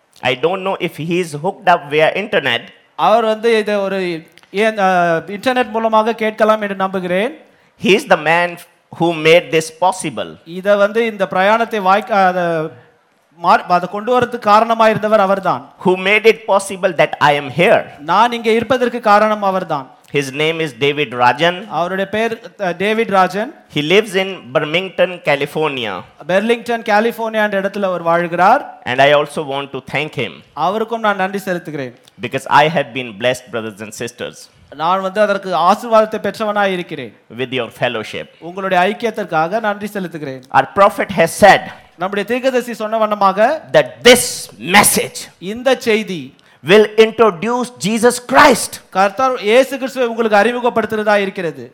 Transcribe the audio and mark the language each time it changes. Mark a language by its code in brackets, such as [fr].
[en] I don't know if he is hooked up via internet. [ta] அவர் வந்து இது ஒரு internet மூலமாக கேட்கலாம் என்று நம்புகிறேன். [en] He is the man who made this possible. [ta] இத வந்து இந்த பிரயாணத்தை அதை கொண்டு வரதுக்கு காரணமா இருந்தவர் அவர்தான். [en] Who made it possible that I am here. [ta] நான் இங்க இருப்பதற்கு காரணம் அவர்தான். [en] His name is David Rajan. [ta] அவருடைய பெயர் David Rajan. [en] He lives in Burlington, California. [ta] Burlington, California என்ற இடத்துல அவர் வாழ்கிறார். [en] And I also want to thank him. [ta] அவருக்கும் நான் நன்றி செலுத்துகிறேன். [en] Because I have been blessed, brothers and sisters. [ta] நான் வந்து அதற்கு ஆசீர்வாதத்தை பெற்றவனாய் இருக்கிறேன். [en] With your fellowship. [ta] உங்களுடைய ஐக்கியத்திற்காக நன்றி செலுத்துகிறேன். [en] Our prophet has said. [ta] நம்முடைய தீர்க்கதரிசி சொன்ன வண்ணமாக [en] that this message. [ta] இந்த செய்தி [en] will introduce Jesus Christ. [ta] கர்த்தர் இயேசு கிறிஸ்துவை உங்களுக்கு அறிமுகப்படுத்துறதா இருக்கிறது.